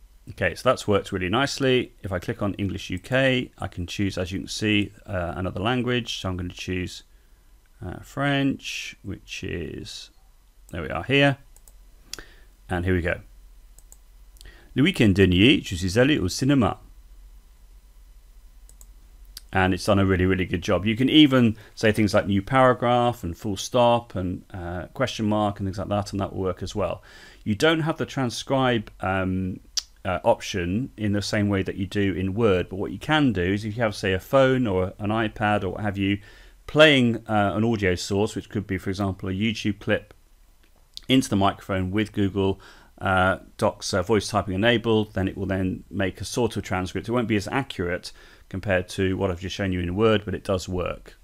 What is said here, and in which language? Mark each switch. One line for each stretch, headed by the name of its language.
English: Okay, so that's worked really nicely. If I click on English UK, I can choose, as you can see, another language. So I'm going to choose French, which is, there we are here, and here we go.
French: Le week-end dernier, je suis allé au cinéma.
English: And it's done a really, really good job. You can even say things like new paragraph and full stop and question mark and things like that, and that will work as well. You don't have the transcribe option in the same way that you do in Word, but what you can do is if you have, say, a phone or an iPad or what have you, playing an audio source, which could be, for example, a YouTube clip, into the microphone with Google Docs voice typing enabled, then it will then make a sort of transcript. It won't be as accurate compared to what I've just shown you in Word, but it does work.